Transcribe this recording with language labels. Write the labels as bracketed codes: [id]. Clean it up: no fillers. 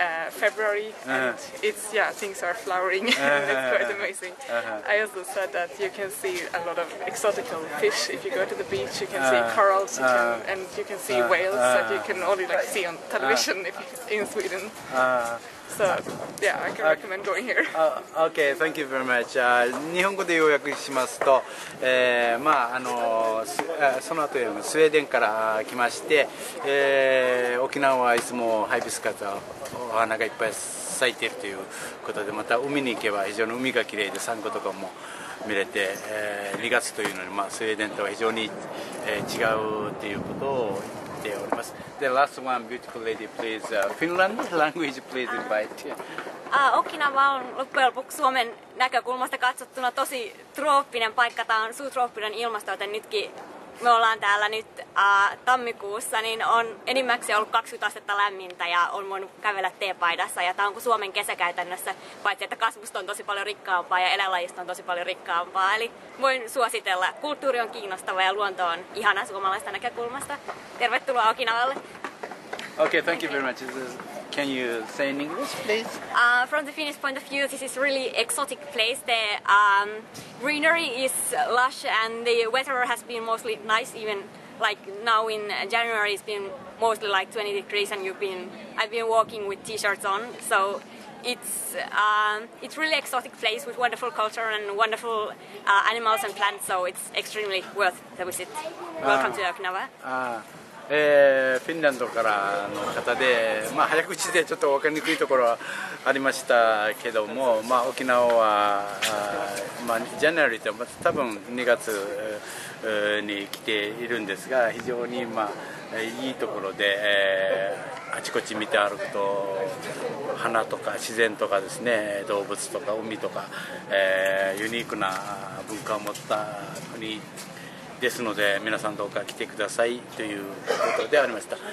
[en] February, and it's things are flowering. It's quite amazing. I also said that you can see a lot of exotic fish if you go to the beach. You can see corals, and you can see whales that you can only like see on television if in Sweden. So, yeah, I can recommend going here. Okay, thank you very much. [ja] 日本語で要約しますと、まあ、あの、その後にスウェーデンから来まして、沖縄はいつもハイビスカスお花がいっぱい咲いているということで、また海に行けば非常に海がきれいで、サンゴとかも見れて、2月というのに、まあ、スウェーデンとは非常に、違うということを言っております。 [en] The last one, beautiful lady, please. Finland language, please invite. [fi] Okinawa on loppujen lopuksi Suomen näkökulmasta katsottuna tosi trooppinen paikka. Tämä on suutrooppinen ilmasto, joten nytkin me ollaan täällä nyt tammikuussa, niin on enimmäkseen ollut 20 astetta lämmintä ja on voinut kävellä teepaidassa. Ja tämä on kuin Suomen kesä käytännössä, paitsi että kasvusto on tosi paljon rikkaampaa ja eläinlajisto on tosi paljon rikkaampaa. Eli voin suositella. Kulttuuri on kiinnostava ja luonto on ihana suomalaista näkökulmasta. Tervetuloa Okinawalle. [en] Okay, thank you very much. Can you say in English, please? From the Finnish point of view, this is really exotic place. The greenery is lush and the weather has been mostly nice. Even like now in January, it's been mostly like 20 degrees and I've been walking with t-shirts on. So it's really exotic place with wonderful culture and wonderful animals and plants. So it's extremely worth the visit. Welcome to Okinawa. [ja] フィンランドからの方で、まあ、早口でちょっと分かりにくいところはありましたけども、まあ、沖縄は、まあ、ジャネラリーと多分2月に来ているんですが、非常に、まあ、いいところで、あちこち見て歩くと花とか自然とかですね、動物とか海とか、ユニークな文化を持った国ですので、皆さんどうか来てくださいということでありました。